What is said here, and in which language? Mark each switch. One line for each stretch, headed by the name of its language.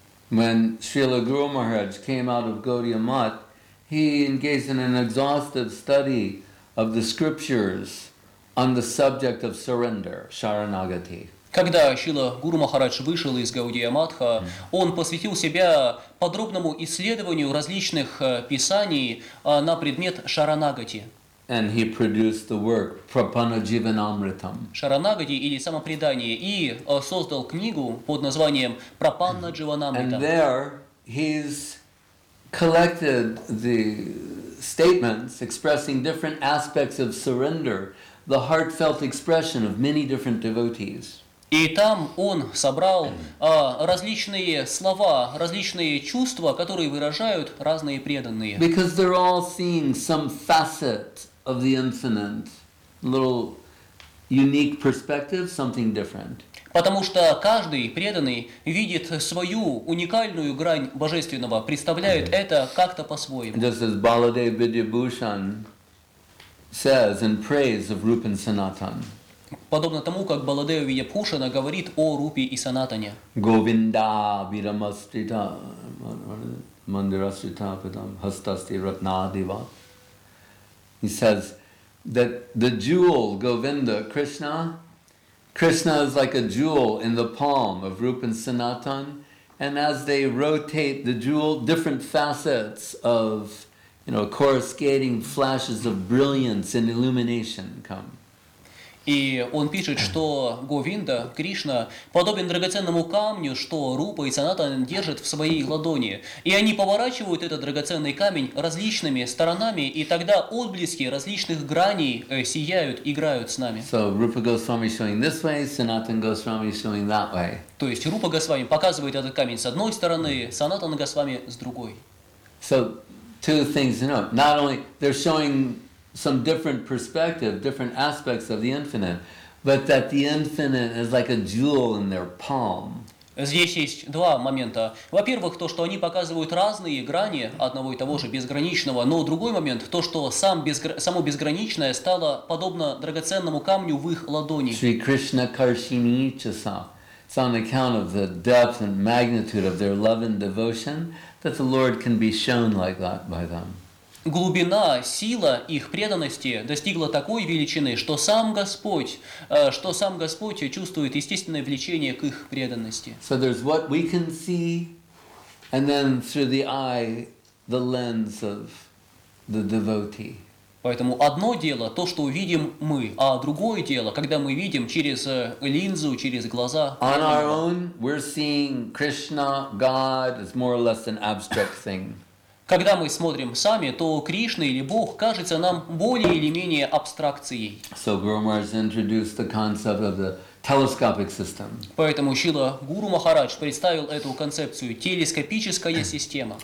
English: When Srila Guru Maharaj came out of Gaudiya Math, he engaged in an exhaustive study of the scriptures on the subject of surrender, Sharanagati.
Russian: Когда Шрила Гуру Махарадж вышел из Гаудия Матха, он посвятил себя подробному исследованию различных писаний на предмет Шаранагати.
English: And he produced the work Prapanajivanamritam.
Russian: Шаранагати или самопредание, и создал книгу под названием Прапанадживанамритам.
English: And there he's collected the statements expressing different aspects of surrender, the heartfelt expression of many different devotees.
Russian: И там он собрал различные слова, различные чувства, которые выражают разные преданные.
English: Because they're all seeing some facet of the infinite, little unique perspective, something different.
Russian: Потому что каждый преданный видит свою уникальную грань божественного, представляет это как-то по-своему.
English: Just as Baladev Vidyabhushan says in praise of Rupa and Sanatan.
Russian: Подобно тому, как Баладева Видьяпхушана говорит о Рупе и Санатане.
Sanskrit: Говинда вирамастрита мандирастритапитам хастасти ратнадива.
English: He says that the jewel Govinda, Krishna, Krishna is like a jewel in the palm of Rupa and Sanatan, and as they rotate the jewel, different facets of, you know, coruscating flashes of brilliance and illumination come.
Russian: И он пишет, что Говинда, Кришна, подобен драгоценному камню, что Рупа и Санатана держат в своей ладони. И они поворачивают этот драгоценный камень различными сторонами, и тогда отблески различных граней сияют, играют с нами.
English: So, Rupa Goswami showing this way, Sanatan Goswami showing that way.
Russian: То есть Рупа Госвами показывает этот камень с одной стороны, Санатана Госвами с другой.
English: So, two things to note. Not only they're showing some different perspective, different aspects of the infinite, but that the infinite is like a jewel in their palm.
Russian: Здесь есть два момента. Во-первых, то, что они показывают разные грани одного и того же безграничного, но другой момент, то, что само безграничное стало подобно драгоценному камню в их ладони.
Sanskrit: Sri Krishna Karshini Chasa.
English: It's on account of the depth and magnitude of their love and devotion that the Lord can be shown like that by them.
Russian: Глубина, сила их преданности достигла такой величины, что сам Господь чувствует естественное влечение к их преданности.
English: So there's what we can see, and then through the eye, the lens of the devotee.
Russian: Поэтому одно дело то, что видим мы, а другое дело, когда мы видим через линзу, через глаза.
English: On our own, we're seeing Krishna, God, is more or less an abstract thing.
Russian: Когда мы смотрим сами, то Кришна или Бог кажется нам более или менее абстракцией.
English: So Guru Maharaj introduced the concept of the telescopic system.
Russian: Поэтому Шрила Гуру Махарадж представил эту концепцию телескопическая система.